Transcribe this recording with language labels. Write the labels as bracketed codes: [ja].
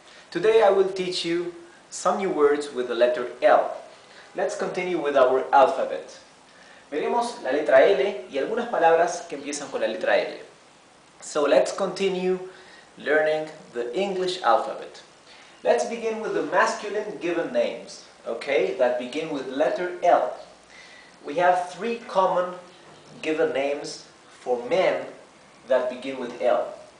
[en] Today I will teach you some new words with the letter L. Let's continue with our alphabet. [es] Veremos la letra L y algunas palabras que empiezan con la letra L. [en] So let's continue learning the English alphabet. Let's begin with the masculine given names, okay, that begin with letter L. We have three common given names for men that begin with L.